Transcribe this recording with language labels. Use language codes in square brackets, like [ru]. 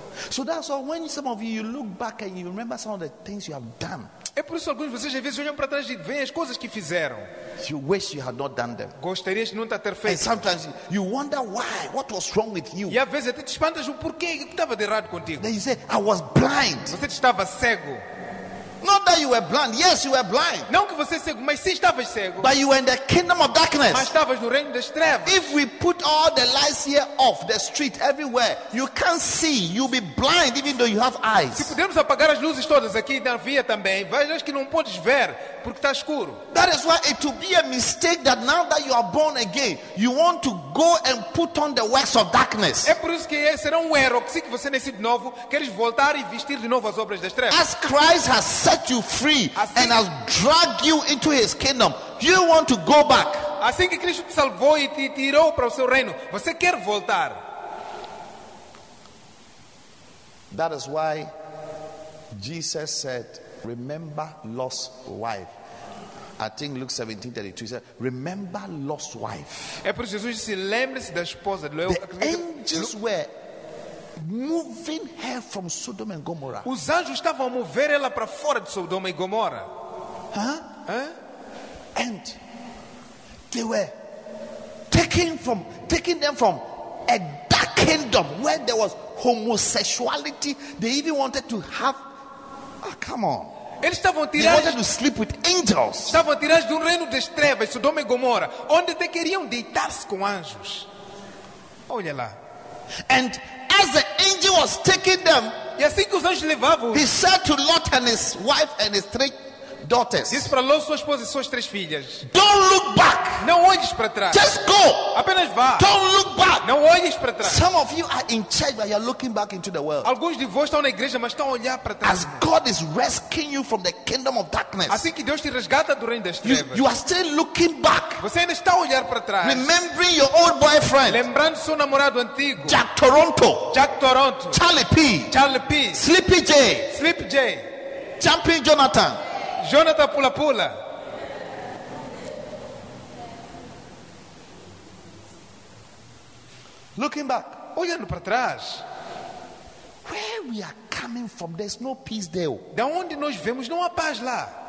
[en] So that's why when some of you, you look back and you remember some of the things you have done. [pt] É por isso que alguns de vocês às vezes olham para trás e veem as coisas que fizeram. [en] You wish you had not done them. [pt] Gostarias de não ter feito. [en] And sometimes you wonder why, what was wrong with you? [pt] E às vezes até te espantas o porquê, o que estava de errado contigo? [en] Then you say, I was blind. [pt] Você estava cego. [en] Not that you were blind. Yes, you were blind. [pt] Não que você cego, mas sim estavas cego. [en] But you were in the kingdom of darkness. [pt] Mas estavas no reino das trevas. [en] If we put all the lights here off the street everywhere, you can't see. You'll be blind even though you have eyes. [pt] Se pudermos apagar as luzes todas aqui na via também, vejas que não podes ver porque está escuro. [en] That is why it will be a mistake that now that you are born again, you want to go and put on the works of darkness. [pt] É por isso que será um erro que se você nascer de novo, queres voltar e vestir de novo as obras das trevas. [en] As Christ has set you free [pt] assim, [en] and has dragged you into his kingdom. You want to go back. [pt] Assim que Cristo te salvou e te tirou para o seu reino, você quer voltar. [en] That is why Jesus said, remember lost wife. I think Luke 17:32 said, remember lost wife. [pt] É por isso que Jesus disse, lembre-se da esposa. [en] The angels were moving her from Sodom and Gomorrah. [pt] Os anjos estavam a mover ela para fora de Sodoma e Gomorra. Huh? [en] And they were taking them from a dark kingdom where there was homosexuality. They even wanted to have. Oh, come on. [pt] Eles estavam tirados. [en] They wanted to sleep with angels. [pt] Estavam tirados de um reino das trevas, Sodoma e Gomorra, onde até queriam deitar-se com anjos. Olha lá. [en] And as the angel was taking them, [pt] e assim que os anjos levavam, [en] he said to Lot and his wife and his three daughters, [pt] disse para Lot, sua esposa e suas três filhas, [en] don't look back. [pt] Não olhes para trás. [en] Just go. [pt] Apenas vá. [en] Don't look back. [pt] Não olhes para trás. [en] Some of you are in church, but you are looking back into the world. [pt] Alguns de vós estão na igreja, mas estão a olhar para trás. [en] As God is rescuing you from the kingdom of darkness, [pt] assim que Deus te resgata do reino das trevas, [en] you are still looking back. [pt] Você ainda está a olhar para trás. [en] Remembering your old boyfriend. [pt] Lembrando seu namorado antigo. [en] Jack Toronto. Jack Toronto. Charlie P. Charlie P. Sleepy J. Sleepy J. Jumping Jonathan. [pt] Jonathan Pula Pula. [en] Looking back, [pt] olhando para trás, [en] where we are coming from, there's no peace there. [pt] Da onde nós vemos, não há paz lá.